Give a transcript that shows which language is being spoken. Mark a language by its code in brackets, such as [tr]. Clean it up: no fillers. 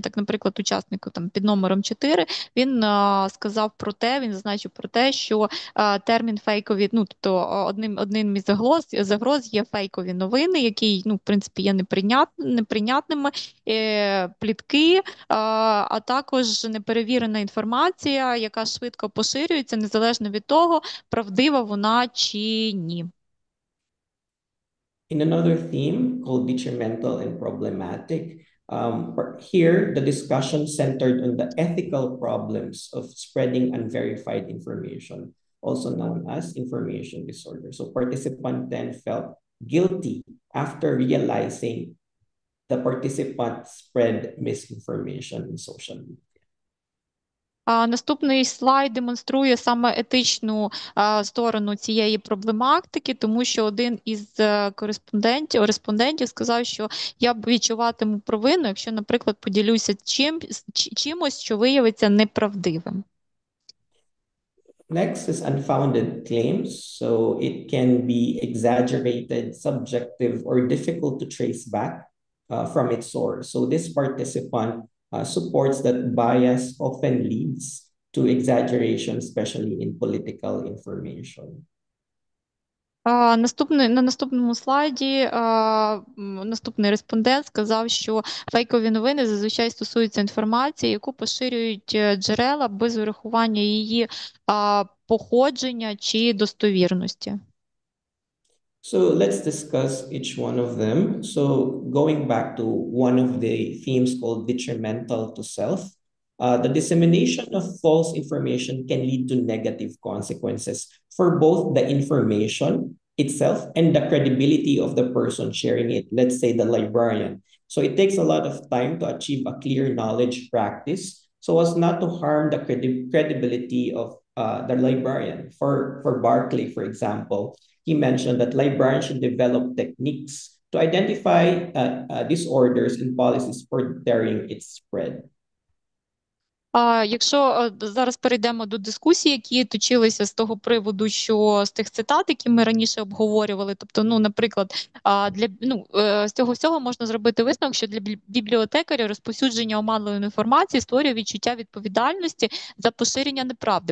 [uk] Так, наприклад, учаснику там під номером 4, він сказав про те, він зазначив про те, що термін фейкові, ну, тобто одним із загроз є фейкові новини, які, ну, в принципі, є неприйнятними, плітки, а також неперевірена інформація, яка швидко поширюється, незалежно від того, правди вона чи ні. [en] In another theme called detrimental and problematic, here the discussion centered on the ethical problems of spreading unverified information, also known as information disorder. So participant then felt guilty after realizing the participant spread misinformation in social media. [uk] Наступний слайд демонструє саме етичну сторону цієї проблематики, тому що один із респондентів сказав, що я б відчуватиму провину, якщо, наприклад, поділюся чимось, що виявиться неправдивим. [en] Next is unfounded claims. So it can be exaggerated, subjective, or difficult to trace back from its source. So this participant supports that bias often leads to exaggeration, especially in political information. На наступному слайді наступний респондент сказав, що фейкові новини зазвичай стосуються інформації, яку поширюють джерела без урахування її походження чи достовірності. So let's discuss each one of them. So going back to one of the themes called detrimental to self, the dissemination of false information can lead to negative consequences for both the information itself and the credibility of the person sharing it, let's say the librarian. So it takes a lot of time to achieve a clear knowledge practice so as not to harm the credibility of the librarian. For Barclay, for example, he mentioned that librarians should develop techniques to identify disorders and policies for daring its spread. [uk] Якщо зараз перейдемо до дискусій, які точилися з того приводу, що з тих цитат, які ми раніше обговорювали, тобто, ну, наприклад, з цього всього можна зробити висновок, що для бібліотекаря розповсюдження оманливої інформації створює відчуття відповідальності за поширення неправди.